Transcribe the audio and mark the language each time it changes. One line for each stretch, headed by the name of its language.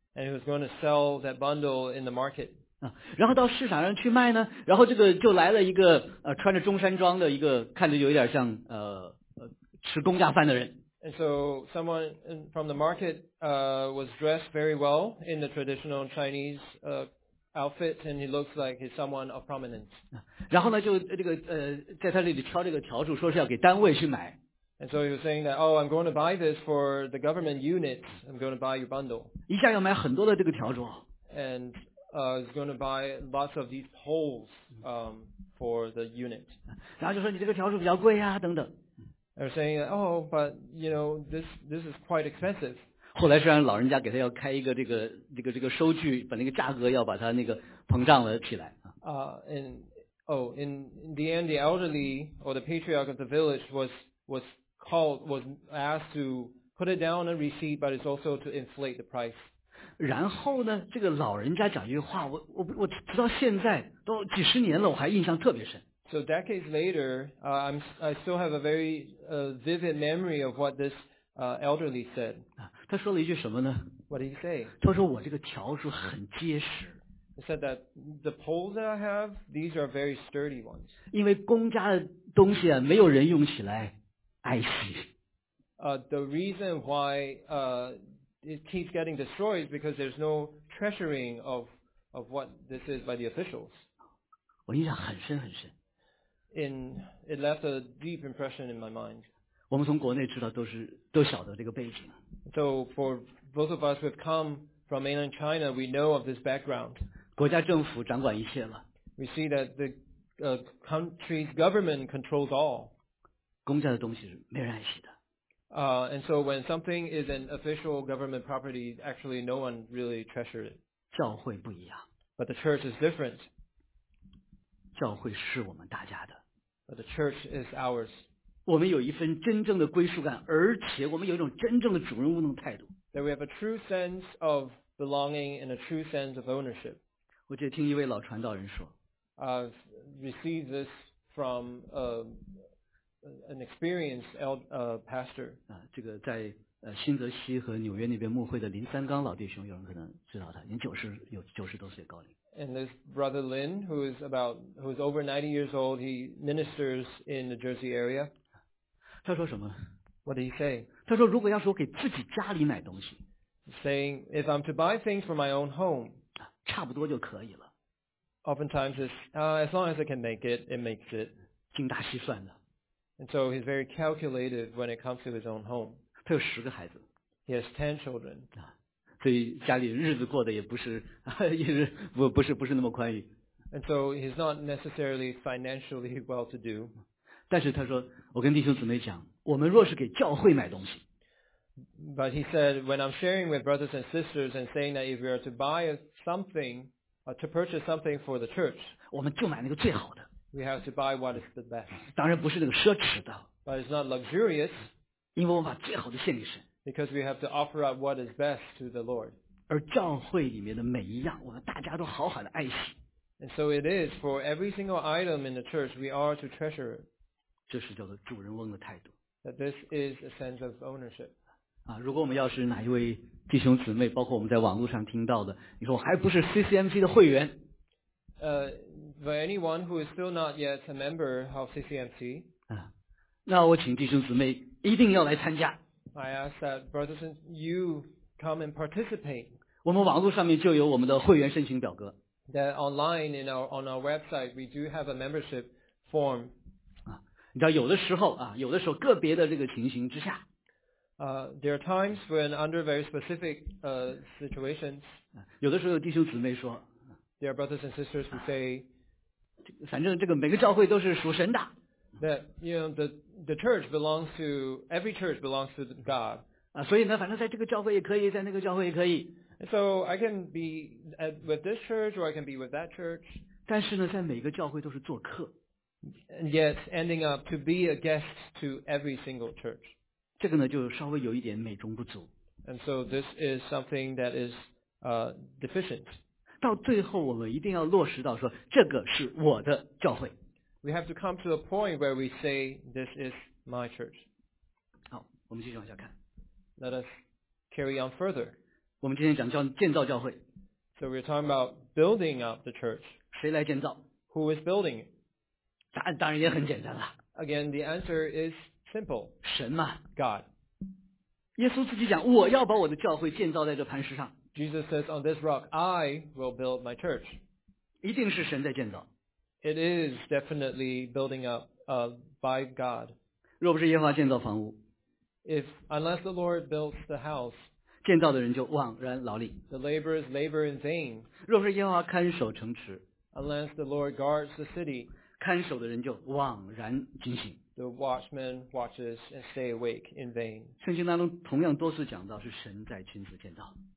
English: And he was going to sell that bundle in the market.
Chinese: 然后到市场上去卖呢，然后这个就来了一个穿着中山装的一个，看着有点像吃公家饭的人。
English: And so someone from the market was dressed very well in the traditional Chinese outfit, and he looks like he's someone of prominence.
Chinese: 然后呢，就这个在他这里挑这个笤帚，说是要给单位去买。
English: And so he was saying that, I'm going to buy this for the government unit. I'm going to buy your bundle.
Chinese: 一下要买很多的这个笤帚。
English: And he's going to buy lots of these poles for the unit.
Chinese: 然后就说你这个条数比较贵呀、啊、等等。
English: They're saying, oh, but you know, this is quite expensive.
Chinese: 后来虽然老人家给他要开一个这个收据，把那个价格要把它那个膨胀了起来。
English: In the end, the elderly or the patriarch of the village was asked to put it down a receipt, but it's also to inflate the price.
Chinese: 然后呢，这个老人家讲一句话，我直到现在都几十年了，我还印象特别深。
English: So decades later, I still have a very vivid memory of what this elderly said.
Chinese: 他说了一句什么呢？
English: What did he say?
Chinese: 他说我这个条数很结实。
English: He said that the poles that I have, these are very sturdy ones.
Chinese: 因为公家的东西啊，没有人用起来爱惜。
English: The reason why it keeps getting destroyed is because there's no treasuring of what this is by the officials.
Chinese: 我印象很深很深。
English: It left a deep impression in my mind.
Chinese: 我们从国内知道都晓得这个背景。
English: So for both of us, we've come from mainland China. We know of this background.
Chinese: 国家政府掌管一切了。
English: We see that the country's government controls all.
Chinese: 公家的东西是没人爱惜的。
English: And so when something is an official government property, actually no one really treasures it.
Chinese: 教会不一样。
English: But the church is different.
Chinese: 教会是我们大家的。
English: But the church is ours.
Chinese: 我们有一份真正的归属感，而且我们有一种真正的主人翁的态度。
English: That we have a true sense of belonging and a true sense of ownership.
Chinese: 我就听一位老传道人说。
English: I've received this from an experienced pastor.
Chinese: 这个在新泽西和纽约那边牧会的林三刚老弟兄，有人可能知道他，已经九十多岁高龄。
English: And this brother Lin, who is over 90 years old, he ministers in the Jersey area.
Chinese: 他说什么？
English: What did he say?
Chinese: 他说如果要是我给自己家里买东西，
English: saying if I'm to buy things for my own home,
Chinese: 差不多就可以了。
English: Oftentimes, as long as I can make it, it makes it.
Chinese: 精打细算的。
English: And so he's very calculative when it comes to his own home.
Chinese: 他有十个孩子。
English: He has 10 children.
Chinese: 所以家里日子过得也不是，也是不是那么宽裕。
English: And so he's not necessarily financially well-to-do.
Chinese: 但是他说，我跟弟兄姊妹讲，我们若是给教会买东西。
English: But he said, when I'm sharing with brothers and sisters and saying that if we are to buy something, to purchase something for the church,
Chinese: 我们就买那个最好的。
English: We have to buy what is the best.
Chinese: 当然不是那个奢侈的。
English: But it's not luxurious.
Chinese: 因为我把最好的献给神。
English: Because we have to offer up what is best to the Lord.
Chinese: 而教会里面的每一样，我们大家都好好的爱惜。
English: And so it is for every single item in the church, we are to treasure it.
Chinese: 这是叫做主人翁的态度。
English: That this is a sense of ownership.
Chinese: 如果我们要是哪一位弟兄姊妹，包括我们在网络上听到的，你说我还不是 CCMC 的会员。
English: For anyone who is still not yet a member of CCMC.
Chinese: 那我请弟兄姊妹一定要来参加。
English: I ask that brothers and you come and participate.
Chinese: 我们网络上面就有我们的会员申请表格。
English: That online in on our website we do have a membership form.
Chinese: 你知道有的时候个别的这个情形之下。
English: There are times when under very specific situations.
Chinese: 有的时候有弟兄姊妹说。
English: There are brothers and sisters who say.
Chinese: 反正这个每个教会都是属神的。
English: That you know the church belongs to every church belongs to God.
Chinese: 所以呢，反正在这个教会也可以，在那个教会也可以。
English: So I can be with this church or I can be with that church.
Chinese: 但是呢，在每个教会都是做客。
English: And yet ending up to be a guest to every single church.
Chinese: 这个呢，就稍微有一点美中不足。
English: And so this is something that is deficient.
Chinese: 到最后，我们一定要落实到说，这个是我的教会。
English: We have to come to a point where we say this is my church.
Chinese: 好，我们继续往下看。
English: Let us carry on further.
Chinese: 我们今天讲建造教会。
English: So we're talking about building up the church.
Chinese: 谁来建造？
English: Who is building it?
Chinese: 答案当然也很简单了。
English: Again, the answer is simple.
Chinese: 神嘛。
English: God.
Chinese: 耶稣自己讲，我要把我的教会建造在这磐石上。
English: Jesus says, on this rock, I will build my church.
Chinese: 一定是神在建造。
English: It is definitely building up by God.
Chinese: 若不是耶和华建造房屋，
English: If unless the Lord builds the house,
Chinese: 建造的人就枉然劳力。
English: The laborers labor in vain.
Chinese: 若不是耶和华看守城池，
English: Unless the Lord guards the city,
Chinese: 看守的人就枉然警醒。
English: The watchman watches and stay awake in vain.
Chinese: 圣经当中同样多次讲到是神在亲自建造。